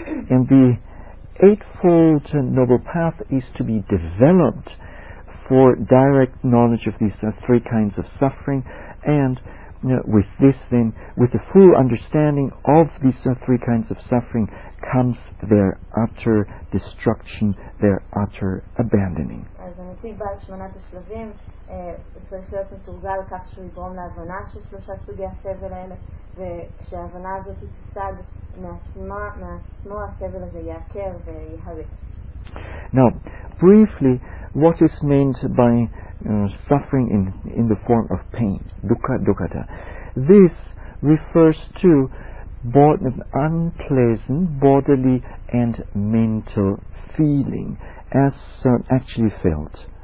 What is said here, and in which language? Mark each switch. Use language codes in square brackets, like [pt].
[en] And the Eightfold Noble Path is to be developed for direct knowledge of these three kinds of suffering, and with this then, with the full understanding of these three kinds of suffering, comes their utter destruction, their utter abandoning. [he] אז הנציג בעל שמונת השלבים צריך להיות מתורגל כך שהוא יגרום להבנה של שלושה סוגי הסבל האלה, וכשההבנה הזאת תשג מעצמו הסבל הזה יעקר ויהרס. [en] Now, briefly, what is meant by suffering in the form of pain, dukkha dukkata? This refers to unpleasant bodily and mental feeling as actually felt.